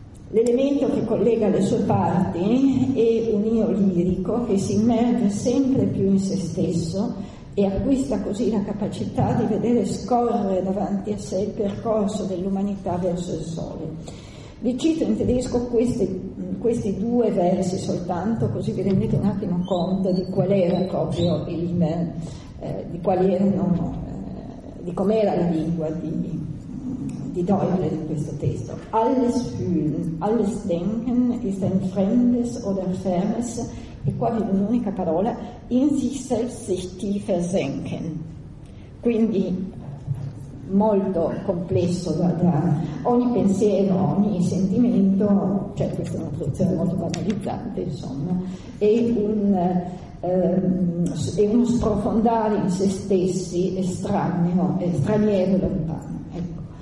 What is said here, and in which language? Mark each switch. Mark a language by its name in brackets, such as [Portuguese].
[Italian] L'elemento che collega le sue parti è un io lirico che si immerge sempre più in se stesso e acquista così la capacità di vedere scorrere davanti a sé il percorso dell'umanità verso il sole. Vi cito in tedesco questi due versi soltanto, così vi rendete un attimo conto di qual era proprio di com'era la lingua di Doyle in questo testo. [German] Alles fühlen, alles denken ist ein fremdes oder fernes, [Italian] e qua vi do un'unica parola, [German] in sich selbst sich tiefer senken. [Italian] Quindi molto complesso, da ogni pensiero, ogni sentimento, cioè questa è una traduzione molto banalizzante, insomma, è uno sprofondare in se stessi estraneo, straniero e lontano. Ecco.